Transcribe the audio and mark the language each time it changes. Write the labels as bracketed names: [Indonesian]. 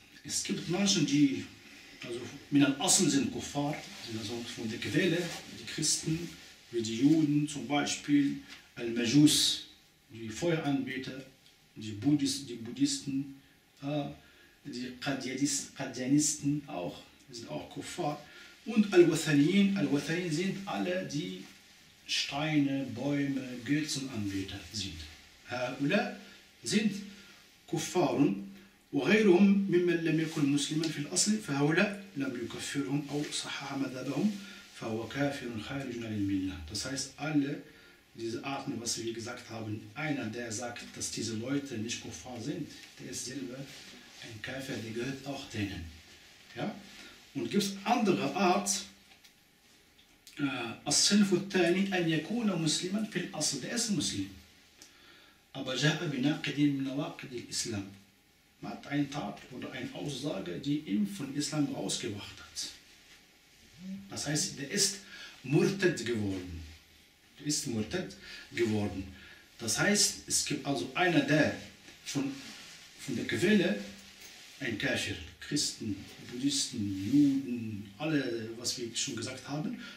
[German] Es gibt Menschen, die also mit einem Assel sind Kuffar, also von der Quelle, die Christen, wie die Juden, zum Beispiel Al-Majus, die Feueranbeter, die Buddhisten, die Qadianisten auch, sind auch Kuffar. Und Al-Wathaniyin sind alle, die Steine, Bäume, Götzenanbeter sind. Ha'ula sind Kuffarun. [Arabic] وغيرهم ممن لم يكن مسلما في الأصل فهؤلاء لم يكفرهم أو صحح مذهبهم فهو كافر خارج عن الملة. [German] Das heißt, alle diese Arten, was wir gesagt haben, einer, der sagt, dass diese Leute nicht Kuffar sind, der ist selber ein Kafir, der gehört auch denen. Ja? Und gibt es andere Art, [Arabic] الصنف الثاني أن يكون مسلما في الأصل, [German] der ist Muslim. [Arabic] Aber جاء بناقد من نواقد الإسلام. [German] Man hat eine Tat oder eine Aussage, die ihn von Islam rausgebracht hat. Das heißt, der ist Murtad geworden. Der ist Murtad geworden. Das heißt, es gibt also einer, der von der Quelle, ein Kafir, Christen, Buddhisten, Juden, alle, was wir schon gesagt haben.